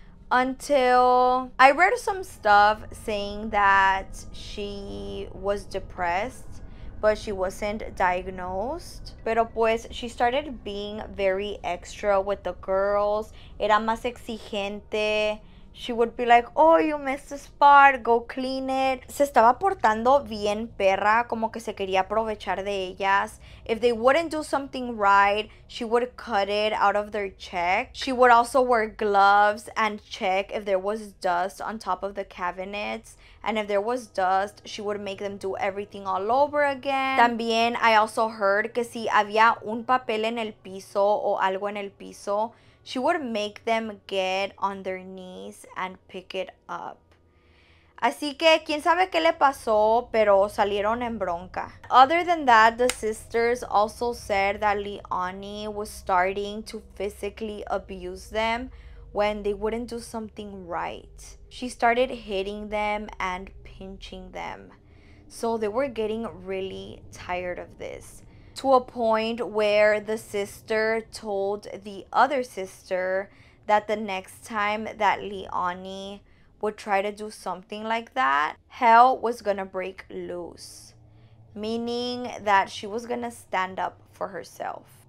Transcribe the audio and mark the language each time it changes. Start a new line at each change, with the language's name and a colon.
English: Until I read some stuff saying that she was depressed, but she wasn't diagnosed.
Spanish: Pero pues,
English: she started being very extra with the girls.
Spanish: Era más exigente.
English: She would be like, oh, you missed the spot, go clean it.
Spanish: Se estaba portando bien perra, como que se quería aprovechar de ellas.
English: If they wouldn't do something right, she would cut it out of their check. She would also wear gloves and check if there was dust on top of the cabinets. And if there was dust, she would make them do everything all over again.
Spanish: También,
English: I also heard
Spanish: que si había un papel en el piso
English: o algo en el piso, she would make them get on their knees and pick it up.
Spanish: Así que, quién sabe qué le pasó, pero salieron en bronca.
English: Other than that, the sisters also said that Leonie was starting to physically abuse them when they wouldn't do something right. She started hitting them and pinching them. So they were getting really tired of this. To a point where the sister told the other sister that the next time that Leonie would try to do something like that, hell was gonna break loose, meaning that she was gonna stand up for herself.